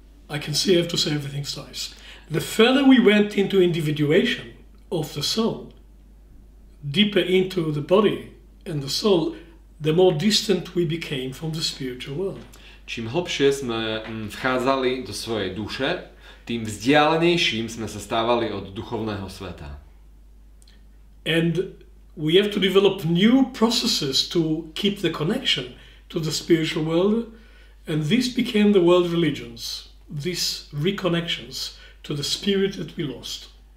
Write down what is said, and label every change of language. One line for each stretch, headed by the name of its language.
English: I can see I have to say everything twice. The further we went into individuation of the soul, deeper into the body and the soul, the more distant we became from the spiritual world.
Slovak: Čím hlbšie sme vchádzali do svojej duše, tým vzdialenejším sme sa stávali od duchovného sveta.
English: And we have to develop new processes to keep the connection to the spiritual world, and this became the world religions. These reconnections to the spirit that we lost.